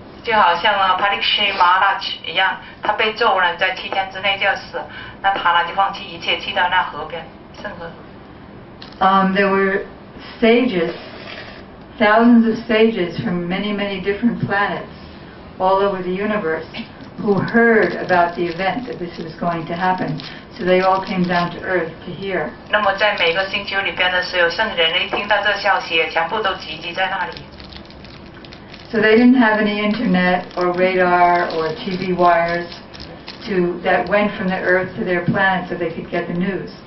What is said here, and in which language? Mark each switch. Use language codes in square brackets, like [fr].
[zh] 就好像 Parikshit Maharaj 一样他被咒了在七天之内就要死那他呢就放弃一切去到那河边圣河、 [en] There were sages Thousands of sages from many many different planets All over the universe Who heard about the event That this was going to happen So they all came down to earth to hear [zh] 那么在每个星球里边的所有圣人一听到这消息全部都聚集在那里 [en] So they didn't have any internet or radar or TV wires to, that went from the earth to their planet so they could get the news.